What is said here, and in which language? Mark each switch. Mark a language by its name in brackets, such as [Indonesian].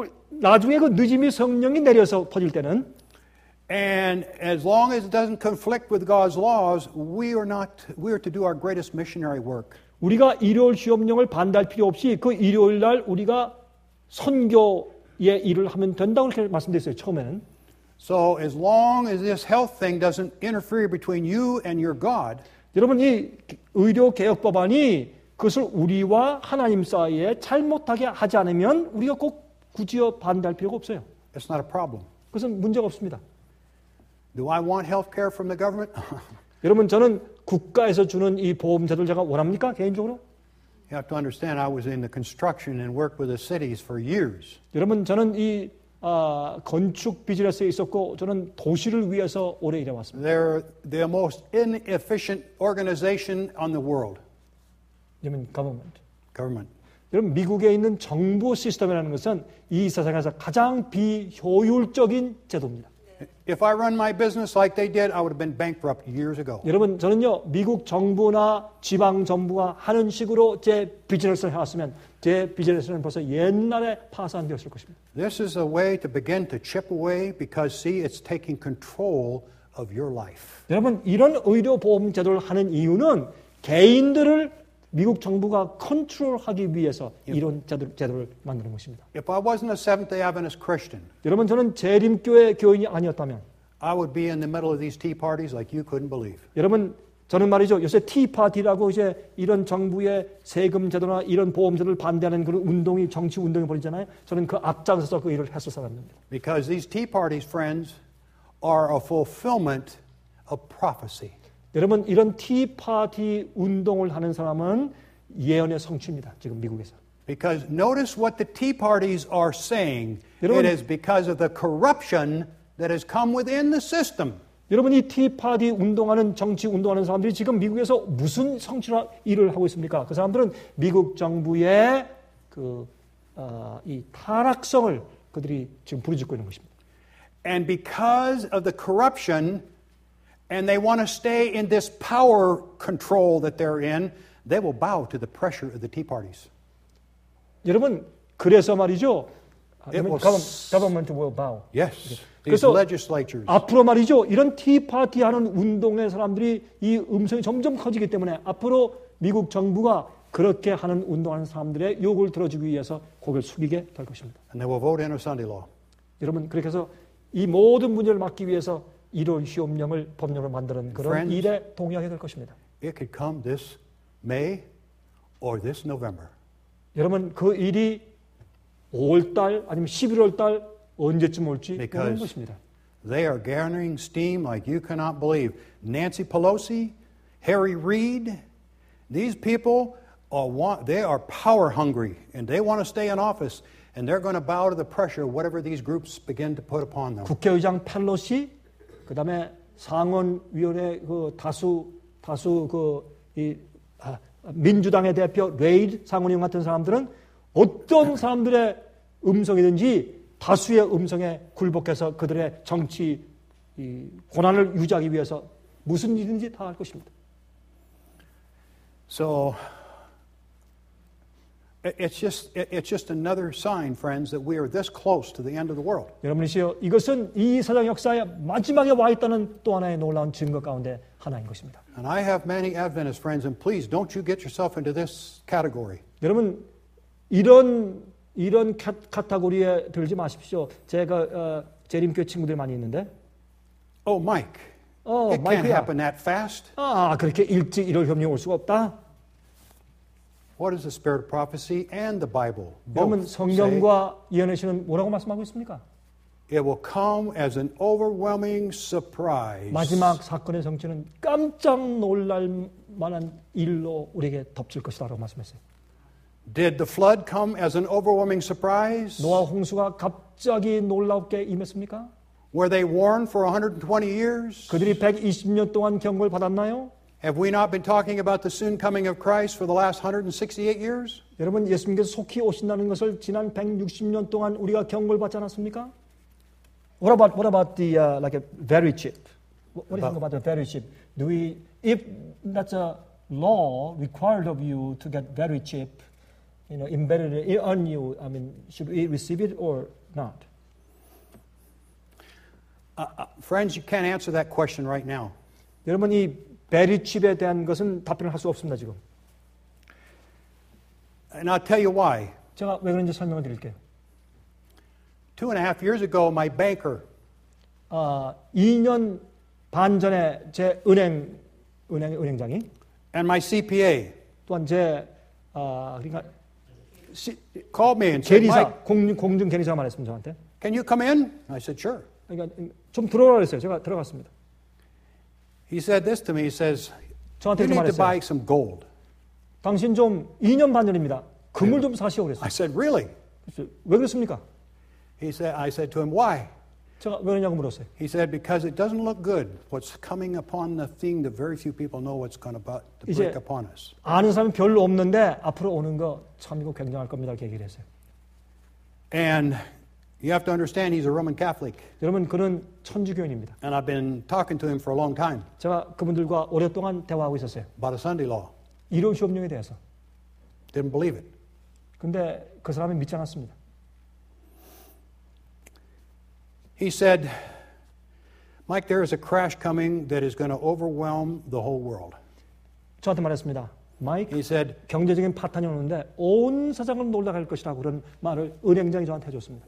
[Korean] 나중에 그 늦음이 성령이 내려서 퍼질 때는 [English] And as long as it doesn't conflict with God's laws, we are to do our greatest missionary work. [Korean] 우리가 일요일 시험령을 반대할 필요 없이 그 일요일 날 우리가 선교 예, 일을 하면 된다고 이렇게 말씀드렸어요, 처음에는. [English] So as long as this health thing doesn't interfere between you and your God. [Korean] 여러분 이 의료 개혁 법안이 그것을 우리와 하나님 사이에 잘못하게 하지 않으면 우리가 꼭 굳이 반대할 필요가 없어요. [English] It's not a problem. [Korean] 그것은 문제가 없습니다. [English] Do I want health care from the government? [Korean] 여러분 저는 국가에서 주는 이 보험 제도를 제가 원합니까? 개인적으로? [English] You have to understand I was in the construction and worked with the cities for years. [Korean] 여러분 저는 이 건축 비즈니스에 있었고 저는 도시를 위해서 오래 일해 왔습니다. [English] They're the most inefficient organization on the world. [Korean] 여러분 government. [English] Government. [Korean] 여러분 미국에 있는 정부 시스템이라는 것은 이 세상에서 가장 비효율적인 제도입니다. [English] If I run my business like they did, I would have been bankrupt years ago. [Korean] 여러분 저는요 미국 정부나 지방 정부가 하는 식으로 제 비즈니스를 해왔으면 제 비즈니스는 벌써 옛날에 파산되었을 것입니다. [English] This is a way to begin to chip away because see, it's taking control of your life. [Korean] 여러분 이런 의료 보험 제도를 하는 이유는 개인들을 미국 정부가 컨트롤하기 위해서 이런 제도를 만드는 것입니다. [English] If I wasn't a Seventh-day Adventist Christian, [Korean] 여러분 저는 재림교회 교인이 아니었다면, [English] I would be in the middle of these tea parties like you couldn't believe. [Korean] 여러분 저는 말이죠 요새 tea party라고 이제 이런 정부의 세금 제도나 이런 보험 제도를 반대하는 그런 운동이 정치 운동이 벌이잖아요. 저는 그 앞장서서 그 일을 했을 사람입니다. [English] Because these tea parties, friends, are a fulfillment of prophecy. [Korean] 여러분 이런 티파티 운동을 하는 사람은 예언의 성취입니다. 지금 미국에서. [English] Because notice what the tea parties are saying. [Korean] 여러분, [English] it is because of the corruption that has come within the system. [Korean] 여러분 이 티파티 운동하는 정치 운동하는 사람들이 지금 미국에서 무슨 성취나 일을 하고 있습니까? 그 사람들은 미국 정부의 그 이 타락성을 그들이 지금 부르짖고 있는 것입니다. [English] And because of the corruption and they want to stay in this power control that they're in, they will bow to the pressure of the tea parties. [Korean] 여러분, 그래서 말이죠. [English] Government will bow. Yes. These legislatures. [Korean] 앞으로 말이죠. 이런 티파티 하는 운동의 사람들이 이 음성이 점점 커지기 때문에 앞으로 미국 정부가 그렇게 하는 운동하는 사람들의 욕을 들어주기 위해서 고개를 숙이게 될 것입니다. [English] And they will vote in a Sunday law. [Korean] 여러분, 그렇게 해서 이 모든 문제를 막기 위해서 이런 시험령을 법률을 만드는 그런 [English] Friends, [Korean] 일에 동의하게 될 것입니다. [English] It could come this May or this November. [Korean] 여러분 그 일이 5월달 아니면 11월달 언제쯤 올지 모르는 것입니다. [English] They are gathering steam like you cannot believe. Nancy Pelosi, Harry Reid, these people are they are power hungry and they want to stay in office and they're going to bow to the pressure whatever these groups begin to put upon them. [Korean] 국회의장 펠로시 그 다음에 상원위원회 그 다수 그 이 민주당의 대표 레이드 상원의원 같은 사람들은 어떤 사람들의 음성이든지 다수의 음성에 굴복해서 그들의 정치 이 권한을 유지하기 위해서 무슨 일인지 다 할 것입니다. [English] So it's just another sign, friends, that we are this close to the end of the world. [Korean] 여러분이시여, 이것은 이 세상 역사의 마지막에 와 있다는 또 하나의 놀라운 증거 가운데 하나인 것입니다. [English] And I have many Adventist friends, and please don't you get yourself into this category. [Korean] 여러분, 이런 카테고리에 들지 마십시오. 제가 재림교회 친구들 많이 있는데. [English] Oh, Mike. Oh, it Mike. It can't happen that fast. [Korean] 아, 그렇게 일찍 이럴 협력 올 수가 없다. [English] What is the spirit of prophecy and the Bible? [Korean] 여러분 성경과 예언의 신은 뭐라고 말씀하고 있습니까? [English] It will come as an overwhelming surprise. [Korean] 마지막 사건의 성취는 깜짝 놀랄 만한 일로 우리에게 덮칠 것이다라고 말씀했어요. [English] Did the flood come as an overwhelming surprise? [Korean] 노아 홍수가 갑자기 놀랍게 임했습니까? [English] Were they warned for 120 years? [Korean] 그들이 120년 동안 경고를 받았나요? [English] Have we not been talking about the soon coming of Christ for the last 168 years? [Korean] 여러분 예수님께서 속히 오신다는 것을 지난 160년 동안 우리가 경고를 받지 않았습니까? [English] What about the like a very cheap? What do you think about the very cheap? Do we if that's a law required of you to get very cheap, you know, embedded on you? I mean, should we receive it or not? Friends, you can't answer that question right now. [Korean] 여러분 이 베리칩에 대한 것은 답변을 할 수 없습니다 지금. [English] And I'll tell you why. [Korean] 제가 왜 그런지 설명을 드릴게요. [English] 2.5 years ago, my banker. [Korean] 2년 반 전에 제 은행장이. [English] And my CPA. [Korean] 또한 제 그러니까 [English] called me and [Korean] 계리사, [English] said, Mike, [Korean] 공중 계리사가 말했습니다 저한테. [English] Can you come in? I said sure. [Korean] 그러니까 좀 들어오라 했어요. 제가 들어갔습니다. [English] He said this to me. He says, "You need [Korean] 말했어요. [English] to buy some gold." [Korean] 당신 좀 2년 반 전입니다. 금을 yeah. 좀 사시오 그랬어요. [English] I said, "Really?" [Korean] 왜 그랬습니까? [English] He said, "I said to him, why?" [Korean] 제가 왜 그러냐고 물었어요. [English] He said, "Because it doesn't look good. What's coming upon the thing that very few people know what's going to break upon us." [Korean] 아는 사람 별로 없는데 앞으로 오는 거 참 이거 굉장할 겁니다. 이렇게 얘기를 했어요. [English] And you have to understand, he's a Roman Catholic. [Korean] 여러분, 그는 천주교인입니다. [English] And I've been talking to him for a long time. [Korean] 제가 그분들과 오랫동안 대화하고 있었어요. [English] About a Sunday law. [Korean] 일요일 수업령에 대해서. [English] Didn't believe it. [Korean] 근데 그 사람은 믿지 않았습니다. [English] He said, "Mike, there is a crash coming that is going to overwhelm the whole world." [Korean] 저한테 말했습니다. Mike, [English] he said, [Korean] 경제적인 파탄이 오는데 온 세상을 놀라갈 것이라고 그런 말을 은행장이 저한테 해줬습니다.